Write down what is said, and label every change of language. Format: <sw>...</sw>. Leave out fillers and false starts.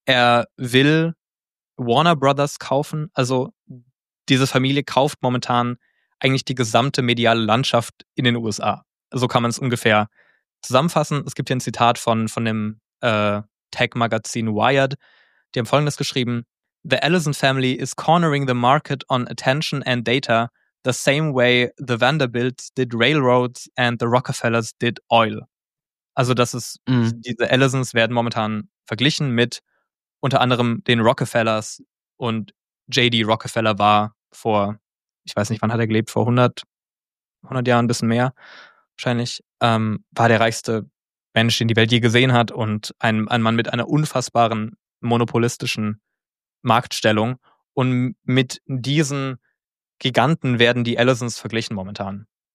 <de>Er will Warner Brothers kaufen. Also diese Familie kauft momentan eigentlich die gesamte mediale Landschaft in den USA. So kann man es ungefähr zusammenfassen. Es gibt hier ein Zitat von dem Tech-Magazin Wired. Die haben Folgendes geschrieben.</de> <en>The Ellison family is cornering the market on attention and data the same way the Vanderbilts did railroads and the Rockefellers did oil.</en> <de>Also das ist, diese Ellisons werden momentan verglichen mit unter anderem den Rockefellers und J.D. Rockefeller war vor, ich weiß nicht, wann hat er gelebt, vor 100 Jahren, ein bisschen mehr wahrscheinlich, war der reichste Mensch, den die Welt je gesehen hat und ein Mann mit einer unfassbaren monopolistischen Marktstellung und mit diesen Giganten werden die Ellisons verglichen momentan.</de>